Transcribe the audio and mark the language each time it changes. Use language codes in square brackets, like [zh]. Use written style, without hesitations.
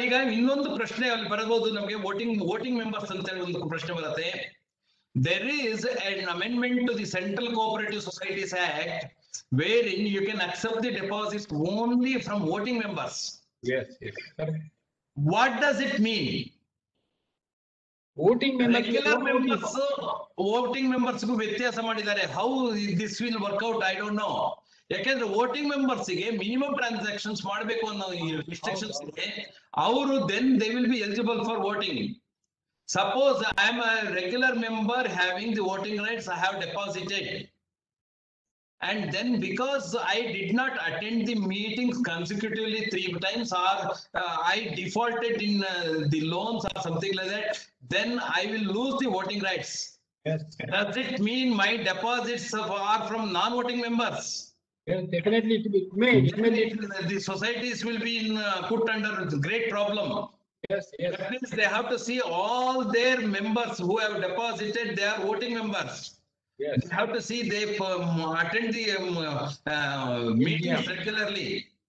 [kn] ಈಗ ಇನ್ನೊಂದು ಪ್ರಶ್ನೆ ಅಲ್ಲಿ ಬರಬಹುದು ನಮಗೆ. ವೋಟಿಂಗ್ ಮೆಂಬರ್ಸ್ ಅಂತ ಹೇಳಿ ಒಂದು ಪ್ರಶ್ನೆ ಬರುತ್ತೆ. [en] There is an amendment to the Central Cooperative Societies Act wherein you can accept the deposits only from voting members. Yes, correct. What does it mean? Voting members, regular members, voting members [kn] ku vyathasa madidare. [en] How this will work out, I don't know. [kn] ಯಾಕೆಂದ್ರೆ voting members ಗೆ minimum transactions ಮಾಡಬೇಕು ಅನ್ನೋ restrictions ಇದೆ. ಅವರು [en] Then they will be eligible for voting. Suppose I am a regular member having the voting rights, I have deposited, and then because I did not attend the meeting consecutively 3 times, or I defaulted in the loans or something like that, then I will lose the voting rights. Does it mean my deposits are from non voting members? Definitely it will be the societies will be in put under great problem. Yes, that means they have to see all their members who have deposited, they are voting members. Yes, they have to see they attend the meeting regularly.